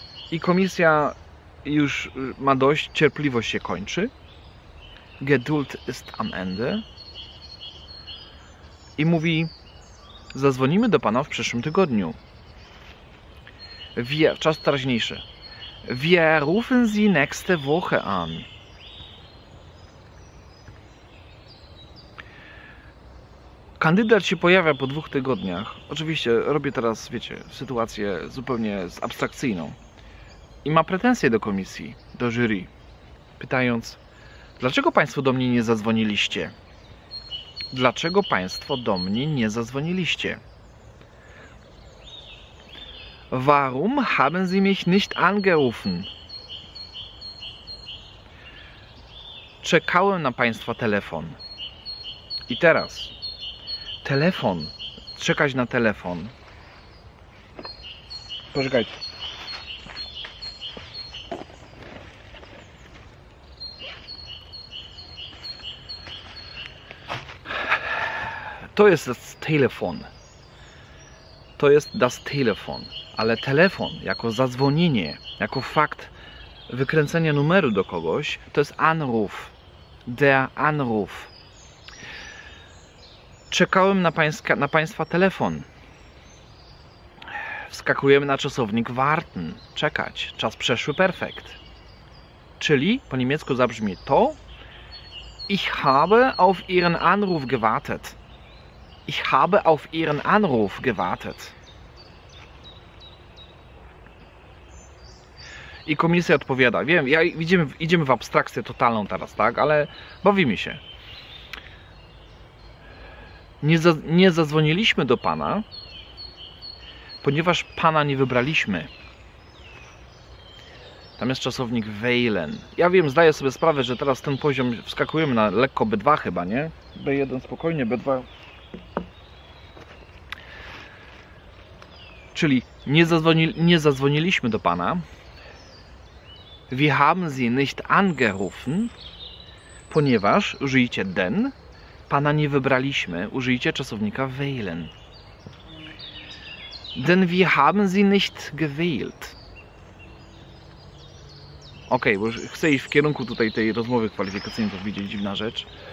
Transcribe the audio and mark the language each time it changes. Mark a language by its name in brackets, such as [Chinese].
[Polish] I komisja już ma dość, cierpliwość się kończy. [German] Geduld ist am Ende. [Polish] I mówi, zadzwonimy do pana w przyszłym tygodniu. Czas teraźniejszy. [German] Wir rufen Sie nächste Woche an. [Polish] Kandydat się pojawia po dwóch tygodniach. Oczywiście robię teraz, wiecie, sytuację zupełnie abstrakcyjną. I ma pretensje do komisji, do jury, pytając, dlaczego państwo do mnie nie zadzwoniliście? Dlaczego państwo do mnie nie zadzwoniliście? [German] Warum haben Sie mich nicht angerufen? [Polish] Czekałem na państwa telefon. I teraz. Telefon. Czekać na telefon. Poczekajcie. To jest das Telefon. To jest das Telefon. Ale telefon jako zadzwonienie, jako fakt wykręcenia numeru do kogoś, to jest Anruf. Der Anruf. czekałem na Państwa telefon. Wskakujemy na czasownik warten. Czekać. Czas przeszły perfekt. Czyli po niemiecku zabrzmi to. [German] Ich habe auf Ihren Anruf gewartet. Ich habe auf Ihren Anruf gewartet. [Polish] I komisja odpowiada. Wiem, ja, idziemy w abstrakcję totalną teraz, tak? Ale bawimy się. Nie zadzwoniliśmy do pana, ponieważ pana nie wybraliśmy. Tam jest czasownik wählen. Ja wiem, zdaję sobie sprawę, że teraz ten poziom wskakujemy na lekko B2 chyba, nie? B1 spokojnie, B2. Czyli nie zadzwoniliśmy do pana. [German] Wir haben Sie nicht angerufen, [Polish] ponieważ użyjcie den, pana nie wybraliśmy, użyjcie czasownika wählen. [German] Denn wir haben Sie nicht gewählt. [Polish] Okej, bo chcę iść w kierunku tutaj tej rozmowy kwalifikacyjnej, to widzieć dziwna rzecz.